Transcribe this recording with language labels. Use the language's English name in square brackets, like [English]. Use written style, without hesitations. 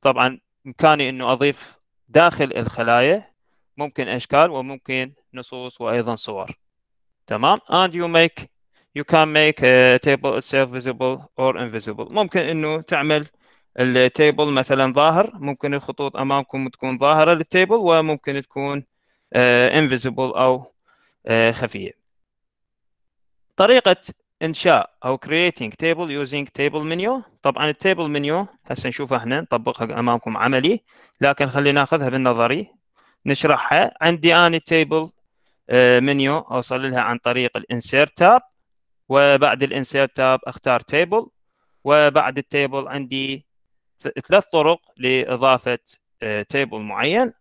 [Arabic] طبعاً إمكاني إنه أضيف داخل الخلايا ممكن أشكال وممكن نصوص وأيضاً صور، تمام؟ [English] And you can make a table itself visible or invisible. [Arabic] ممكن إنه تعمل التيبل مثلاً ظاهر، ممكن الخطوط أمامكم تكون ظاهرة للتيبل وممكن تكون invisible أو خفية. طريقة إنشاء أو [English] creating table using table menu. [Arabic] طبعاً التيبل menu هسه نشوفها، إحنا نطبقها أمامكم عملي، لكن خلينا نأخذها بالنظري نشرحها. عندي أنا table menu أوصل لها عن طريق insert tab، وبعد insert tab أختار table، وبعد table عندي ثلاث طرق لإضافة table معين.